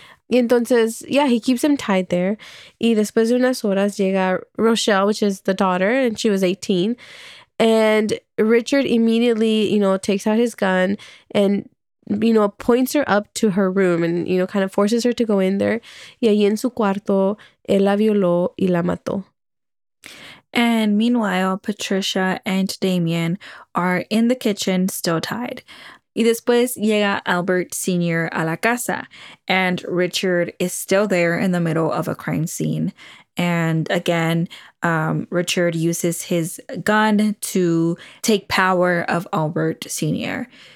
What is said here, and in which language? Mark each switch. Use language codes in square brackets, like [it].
[es] Entonces, [en] yeah, he keeps him tied there. [es] Y después de unas horas llega [en] Rochelle, which is the daughter, and she was 18. And Richard immediately, you know, takes out his gun and, you know, points her up to her room and, you know, kind of forces her to go in there. [es] Y ahí en su cuarto, él la violó y la mató. [en] And meanwhile, Patricia and Damien are in the kitchen still tied. [es] Y después llega Albert Sr. a la casa, [en] and Richard is still there in the middle of a crime scene. And again, Richard uses his gun to take power of Albert Sr.